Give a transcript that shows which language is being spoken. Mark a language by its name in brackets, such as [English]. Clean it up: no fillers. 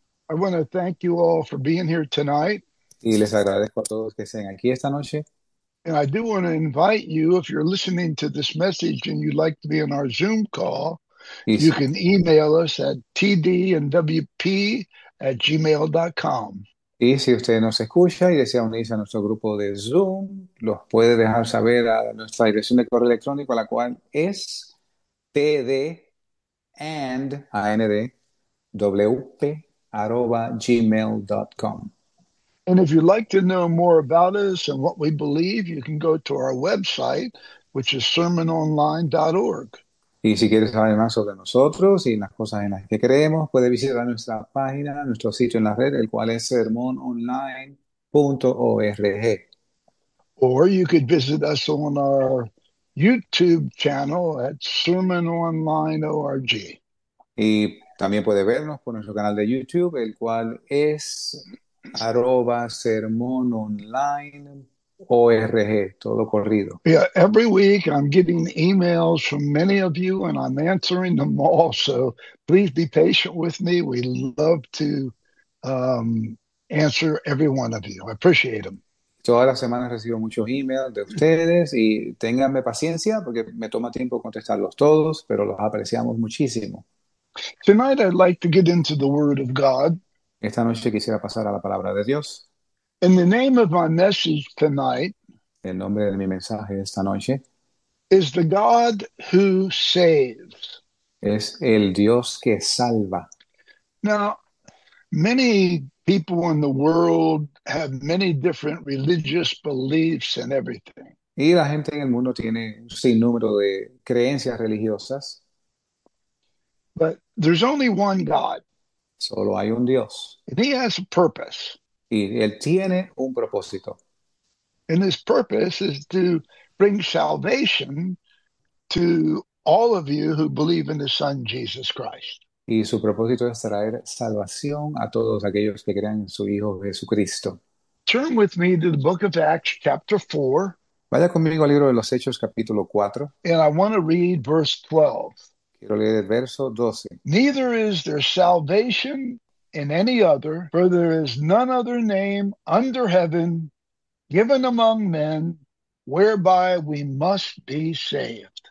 [English] I want to thank you all for being here tonight. [Spanish] Y les agradezco a todos que estén aquí esta noche. [English] And I do want to invite you, if you're listening to this message and you'd like to be on our Zoom call, [Spanish] Y [English] you [Spanish] sí. [English] can email us at tdnwp@gmail.com. [Spanish] Y si usted nos escucha y desea unirse a nuestro grupo de Zoom, los puede dejar saber a nuestra dirección de correo electrónico, la cual es tdandwp@gmail.com. [English] And if you'd like to know more about us and what we believe, you can go to our website, which is sermononline.org. [Spanish] Y si quieres saber más sobre nosotros y las cosas en las que creemos, puede visitar nuestra página, nuestro sitio en la red, el cual es sermononline.org. [English] Or you could visit us on our YouTube channel at sermononline.org. [Spanish] Y también puede vernos por nuestro canal de YouTube, el cual es @sermononline.org, todo corrido. [English] Yeah, every week I'm getting emails from many of you and I'm answering them all. So please be patient with me. We love to answer every one of you. I appreciate them. [Spanish] Todas las semanas recibo muchos emails de ustedes y ténganme paciencia porque me toma tiempo contestarlos todos, pero los apreciamos muchísimo. [English] Tonight I'd like to get into the Word of God. [Spanish] Esta noche quisiera pasar a la palabra de Dios. [English] In the name of my message tonight, [Spanish] En nombre de mi mensaje esta noche [English] is the God who saves. [Spanish] es el Dios que salva. [English] Now, many people in the world have many different religious beliefs and everything. [Spanish] Y la gente en el mundo tiene un sinnúmero de creencias religiosas. [English] But there's only one God, [Spanish] Solo hay un Dios. [English] and He has a purpose. [Spanish] Y él tiene un propósito. [English] And His purpose is to bring salvation to all of you who believe in the Son Jesus Christ. [Spanish] Y su propósito es traer salvación a todos aquellos que crean en su Hijo Jesucristo. [English] Turn with me to the book of Acts, chapter 4, [Spanish] Vaya conmigo al libro de los Hechos, capítulo 4. [English] and I want to read verse 12. [Spanish] Quiero leer el verso 12. [English] Neither is there salvation in any other, for there is none other name under heaven given among men whereby we must be saved.